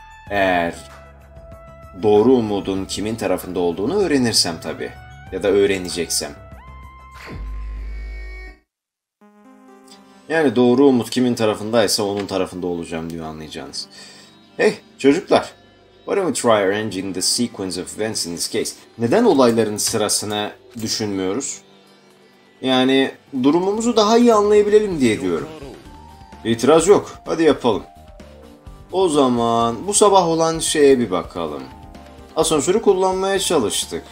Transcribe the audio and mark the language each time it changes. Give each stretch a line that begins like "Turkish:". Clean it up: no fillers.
Turkish: Eğer doğru umudun kimin tarafında olduğunu öğrenirsem tabii ya da öğreneceksem. Yani doğru umut kimin tarafındaysa onun tarafında olacağım diyor, anlayacağınız. Hey çocuklar.
English: Why don't we try arranging the sequence of events in this case?
Turkish: Neden olayların sırasını düşünmüyoruz? Yani durumumuzu daha iyi anlayabilelim diye diyorum. İtiraz yok. Hadi yapalım. O zaman bu sabah olan şeye bir bakalım. Asansörü kullanmaya çalıştık.